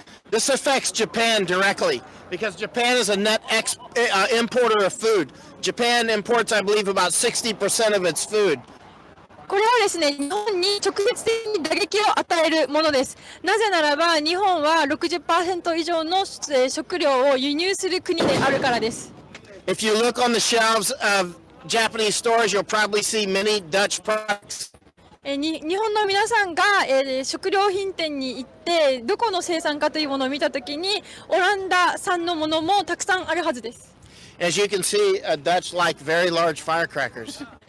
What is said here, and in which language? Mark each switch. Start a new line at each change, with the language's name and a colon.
English: This affects Japan directly because Japan is a net importer of food. Japan imports, I believe, about 60% of its food.
Japanese: これはですね、日本に直接的に打撃を与えるものです。なぜならば、日本は 60% 以上の食料を輸入する国であるからです。
English: If you look on the shelves of Japanese stores, you'll probably see many Dutch products.
Japanese: 日本の皆さんが食料品店に行って、どこの生産かというものを見たときに、オランダ産のものもたくさんあるはずです。
English: As you can see, a Dutch like very large firecrackers.